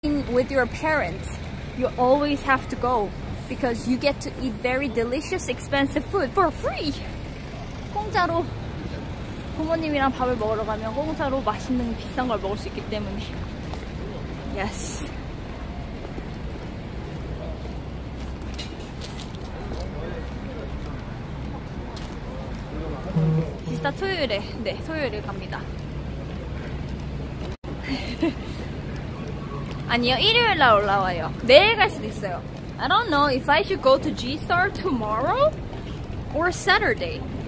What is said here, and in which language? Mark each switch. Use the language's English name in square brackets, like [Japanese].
[English] with your parents, you always have to go because you get to eat very delicious, expensive food for free. [Korean] 공짜로 부모님이랑 밥을 먹으러 가면 공짜로 맛있는 비싼 걸 먹을 수 있기 때문에. [English] Yes. [Korean] Sister, 토요일에 네 토요일에 갑니다. 아니요, 일요일 날 올라와요. 내일 갈 수도 있어요. [English] I don't know if I should go to G-Star tomorrow or Saturday.